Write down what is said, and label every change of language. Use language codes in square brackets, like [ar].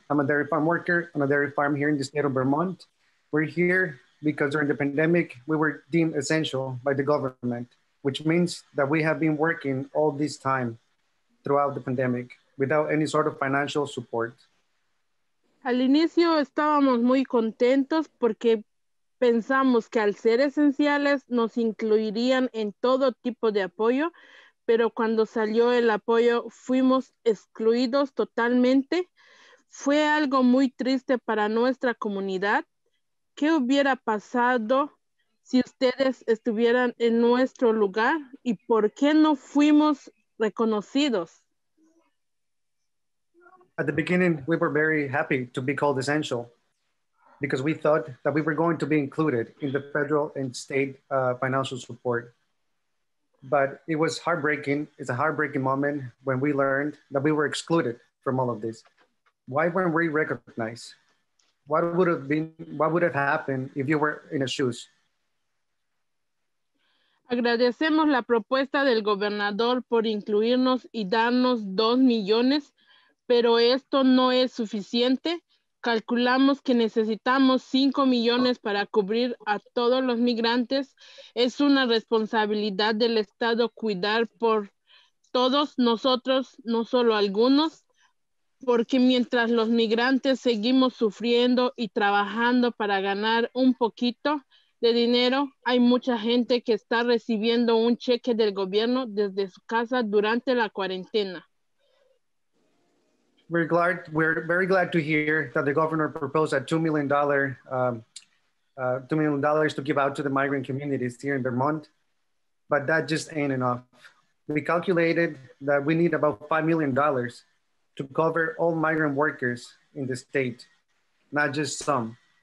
[en] I'm a dairy farm worker on a dairy farm here in the state of Vermont. We're here because during the pandemic, we were deemed essential by the government, which means that we have been working all this time throughout the pandemic without any sort of financial support. [es] Al inicio estábamos muy contentos porque pensamos que al ser esenciales nos incluirían en todo tipo de apoyo, pero cuando salió el apoyo fuimos excluidos totalmente. Fue algo muy triste para nuestra comunidad. ¿Qué hubiera pasado si ustedes estuvieran en nuestro lugar y por qué no fuimos reconocidos? [en] At the beginning, we were very happy to be called essential because we thought that we were going to be included in the federal and state financial support. But it was heartbreaking. It's a heartbreaking moment when we learned that we were excluded from all of this. Why weren't we recognized? What would have happened if you were in his shoes? [es] Agradecemos la propuesta del gobernador por incluirnos y darnos 2 millones. Pero esto no es suficiente. Calculamos que necesitamos 5 millones para cubrir a todos los migrantes. Es una responsabilidad del Estado cuidar por todos nosotros, no solo algunos, porque mientras los migrantes seguimos sufriendo y trabajando para ganar un poquito de dinero, hay mucha gente que está recibiendo un cheque del gobierno desde su casa durante la cuarentena. [en] We're very glad to hear that the governor proposed a $2 million to give out to the migrant communities here in Vermont, but that just ain't enough. We calculated that we need about $5 million to cover all migrant workers in the state, not just some.